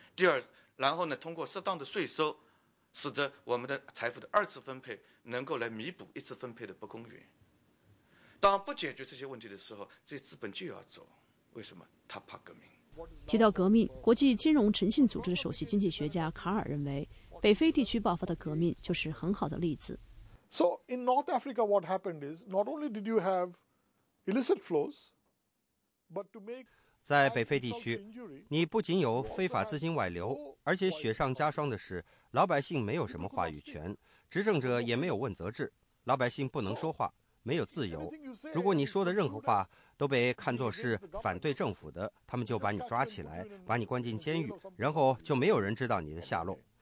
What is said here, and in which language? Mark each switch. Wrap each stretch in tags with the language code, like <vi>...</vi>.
<zh>第二，然后呢，通过适当的税收，使得我们的财富的二次分配能够来弥补一次分配的不公允。当不解决这些问题的时候，这资本就要走。为什么？他怕革命。提到革命，国际金融诚信组织的首席经济学家卡尔认为，北非地区爆发的革命就是很好的例子。</zh> <en>So in North Africa, what happened is not only did you have illicit flows, but to make</en> <zh>在北非地区，你不仅有非法资金外流，而且雪上加霜的是，老百姓没有什么话语权，执政者也没有问责制，老百姓不能说话，没有自由。如果你说的任何话都被看作是反对政府的，他们就把你抓起来，把你关进监狱，然后就没有人知道你的下落。</zh>